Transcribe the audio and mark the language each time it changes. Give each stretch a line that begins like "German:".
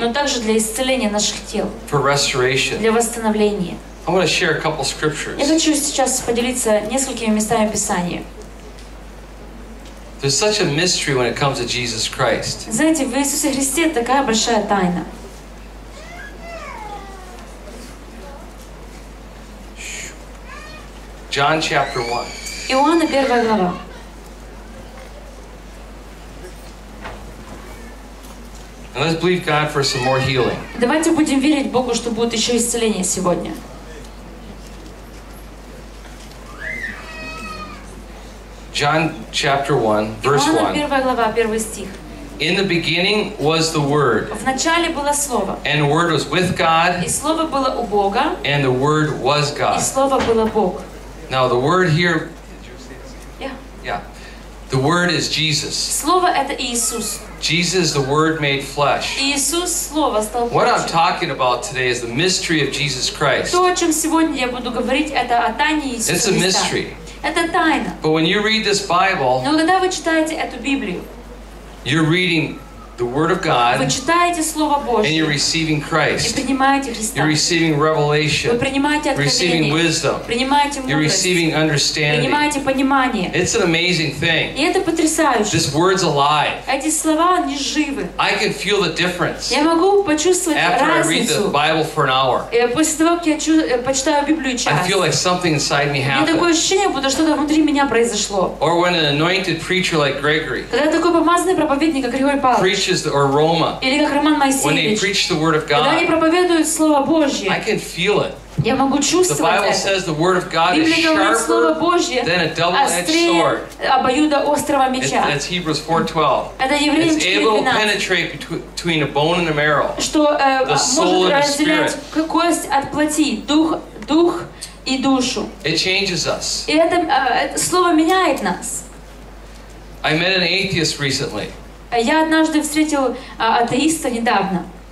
Russian: Но также для исцеления наших тел.
English: For restoration.
Russian: Для восстановления.
English: I want to share a couple scriptures.
Russian: Я хочу сейчас поделиться несколькими местами Писания.
English: There's such a mystery when it comes to Jesus Christ.
Russian: Знаете, в Иисусе Христе такая большая тайна.
English: John chapter 1.
Russian: Иоанна первая глава.
English: And let's believe God for some more healing.
Russian: Давайте будем верить Богу, что будет еще исцеление сегодня.
English: John chapter 1, verse 1.
Russian: Первая глава, первый стих.
English: In the beginning was the Word.
Russian: В начале было слово.
English: And the Word was with God.
Russian: И слово было у Бога.
English: And the Word was God.
Russian: И слово было Бог.
English: Now the Word here. Yeah. Yeah. The Word is Jesus.
Russian: Слово это Иисус.
English: Jesus, the Word made flesh.
Russian: Иисус слово стал плотью.
English: What I'm talking about today is the mystery of Jesus Christ.
Russian: То, о чем сегодня я буду говорить, это о тайне Иисуса Христа.
English: It's a mystery.
Russian: Это тайна.
English: But when you read this Bible,
Russian: но когда вы читаете эту Библию,
English: you're reading the Word of God,
Russian: вы читаете Слово Божье,
English: and you're receiving Christ.
Russian: И принимаете Христа.
English: You're receiving revelation.
Russian: Вы принимаете откровение.
English: Receiving wisdom.
Russian: Принимаете мудрость.
English: You're receiving understanding.
Russian: Принимаете понимание.
English: It's an amazing thing.
Russian: И это потрясающе.
English: This word's alive.
Russian: Эти слова, они живы.
English: I can feel the difference.
Russian: Я могу почувствовать
English: after
Russian: разницу.
English: After I read the Bible for an hour.
Russian: И после того, как я почитаю Библию час.
English: I feel like something inside me happened.
Russian: Мне такое ощущение, будто что-то внутри меня произошло.
English: Or when an anointed preacher like Gregory.
Russian: Когда такой помазанный проповедник, как Григорий Павлович.
English: The aroma.
Russian: Или как Роман Моисеевич.
English: When they preach the word of God.
Russian: Когда они проповедуют слово Божье.
English: I can feel it.
Russian: Я могу чувствовать это.
English: The Bible says the word of God is sharper than a double-edged sword.
Russian: Обоюда острого меча.
English: That's Hebrews 4:12.
Russian: Это Евреям 4:12.
English: It's able to penetrate between a bone and a marrow.
Russian: Что может разделять кость от плоти, дух и душу.
English: It changes us.
Russian: И это слово меняет нас.
English: I met an atheist recently.
Russian: Я однажды встретил атеиста недавно.